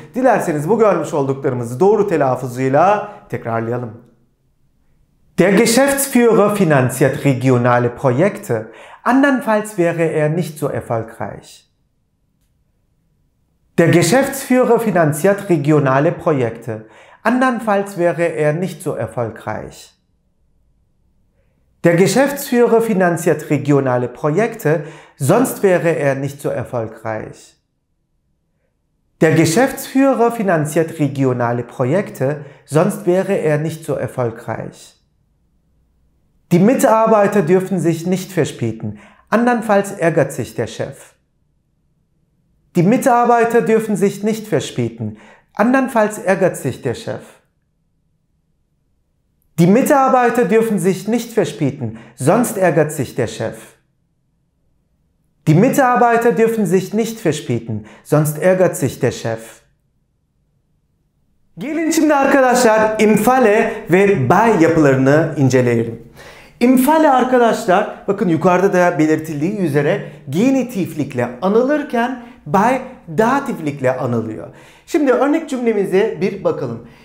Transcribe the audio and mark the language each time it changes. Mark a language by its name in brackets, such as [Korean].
[Turkish] Dilerseniz bu görmüş olduklarımızı doğru telaffuzuyla tekrarlayalım. [German] Der Geschäftsführer finanziert regionale Projekte. Andernfalls wäre er nicht so erfolgreich. Der Geschäftsführer finanziert regionale Projekte. Andernfalls wäre er nicht so erfolgreich. Der Geschäftsführer finanziert regionale Projekte. Sonst wäre er nicht so erfolgreich. Der Geschäftsführer finanziert regionale Projekte, sonst wäre er nicht so erfolgreich. Die Mitarbeiter dürfen sich nicht verspäten, andernfalls ärgert sich der Chef. Die Mitarbeiter dürfen sich nicht verspäten, andernfalls ärgert sich der Chef. Die Mitarbeiter dürfen sich nicht verspäten, sonst ärgert sich der Chef. Die Mitarbeiter dürfen sich nicht verspäten, sonst ärgert sich der Chef. [Turkish] Gelin şimdi arkadaşlar im Falle ve bei yapılarını inceleyelim. Im Falle arkadaşlar, bakın yukarıda da belirtildiği üzere genitiflikle anılırken bei dativlikle anılıyor. Şimdi örnek cümlemize bir bakalım.